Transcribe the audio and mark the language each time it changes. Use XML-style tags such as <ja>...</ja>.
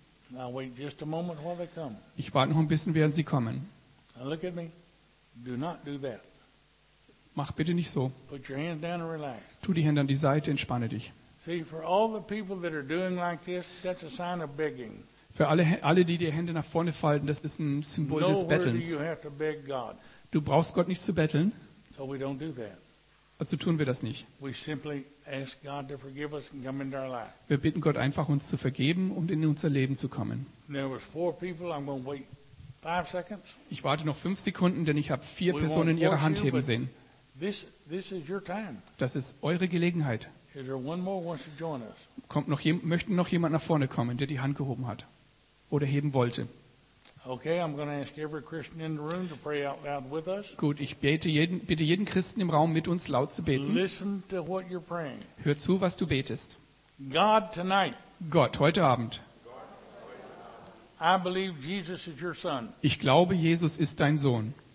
<en>Now wait just a moment while they come.</en> <de>Ich warte noch ein bisschen, während sie kommen.</de> <en>Now look at me. Do not do that.</en> <de>Mach bitte nicht so.</de> <en>Put your hands down and relax.</en> <de>Tu die Hände an die Seite, entspanne dich.</de> <en>See, for all the people that are doing like this, that's a sign of begging.</en> <de>Für alle, die die Hände nach vorne falten, das ist ein Symbol des Bettelns.</de> <en>Do you have to beg God.</en> <de>Du brauchst Gott nicht zu betteln.</de> <en>So we don't do that.</en> <de>Also tun wir das nicht. Wir bitten Gott einfach, uns zu vergeben und in unser Leben zu kommen. Ich warte noch 5 Sekunden, denn ich habe 4 Personen ihre Hand heben sehen.</de> <en>This is your time.</en> <de>Das ist eure Gelegenheit.</de> <en>Is there one more who wants to join us?</en> <de>Kommt noch jemand, möchte noch jemand nach vorne kommen, der die Hand gehoben hat oder heben wollte?</de> <en>Okay, I'm going to ask every Christian in the room to pray out loud with us.</en> <de>Gut, ich bitte jeden Christen im Raum mit uns laut zu beten.</de> <en>Listen to what you're praying.</en> <de>Hör zu, was du betest.</de> <en>God tonight.</en> <de>Gott, heute Abend.</de> <en>I believe Jesus is your son.</en> <de>Ich glaube, Jesus ist dein Sohn.</de>